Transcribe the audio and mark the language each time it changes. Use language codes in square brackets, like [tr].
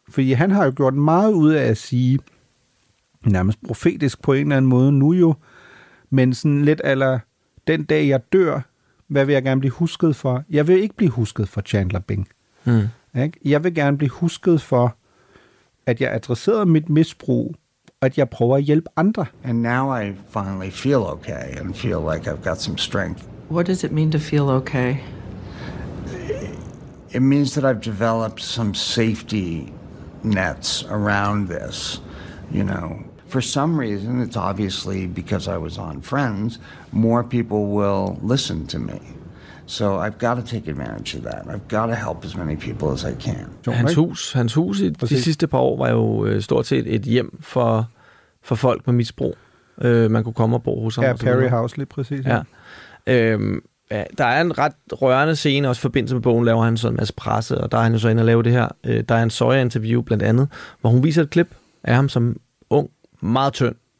[da] Fordi han har jo gjort meget ud af at sige, nærmest profetisk på en eller anden måde nu jo, men sådan lidt eller den dag jeg dør, hvad vil jeg gerne blive husket for? Jeg vil ikke blive husket for Chandler Bing. Jeg vil gerne blive husket for, at jeg adresserede mit misbrug, og at jeg prøver at hjælpe andre. [en] And now I finally feel okay and feel like I've got some strength. What does it mean to feel okay? It means that I've developed some safety nets around this, you know. For some reason, it's obviously because I was on Friends, more people will listen to me. So I've got to take advantage of that. I've got to help as many people as I can. [da] Hans hus i de sidste par år var jo stort set et hjem for folk med misbrug. Man kunne komme og bo hos ham. Ja, Perry House, lige præcis. Ja. Ja, der er en ret rørende scene, også i forbindelse med bogen, laver han sådan en masse presse, og der er han jo så inde og lave det her. Der er en Sawyer-interview blandt andet, hvor hun viser et klip af ham som ung, meget tynd.